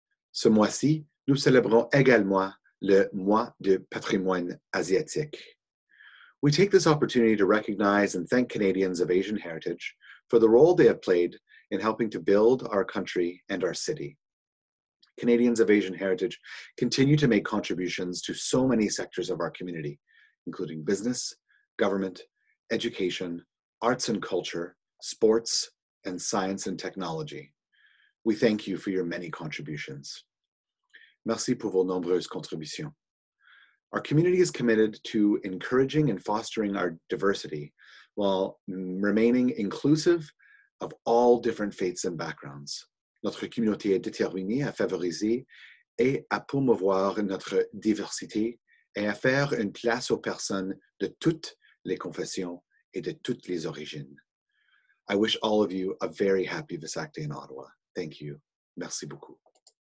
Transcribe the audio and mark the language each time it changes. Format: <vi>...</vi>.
<fr>Ce mois-ci, nous célébrons également le mois du patrimoine asiatique.</fr> <en>We take this opportunity to recognize and thank Canadians of Asian heritage for the role they have played in helping to build our country and our city. Canadians of Asian heritage continue to make contributions to so many sectors of our community, including business, government, education, arts and culture, sports, and science and technology. We thank you for your many contributions.</en> <fr>Merci pour vos nombreuses contributions.</fr> <en>Our community is committed to encouraging and fostering our diversity while remaining inclusive of all different faiths and backgrounds.</en> <fr>Notre communauté est déterminée à favoriser et à promouvoir notre diversité et à faire une place aux personnes de toutes les confessions et de toutes les origines.</fr> <en>I wish all of you a very happy Vesak Day in Ottawa. Thank you.</en> <fr>Merci beaucoup.</fr>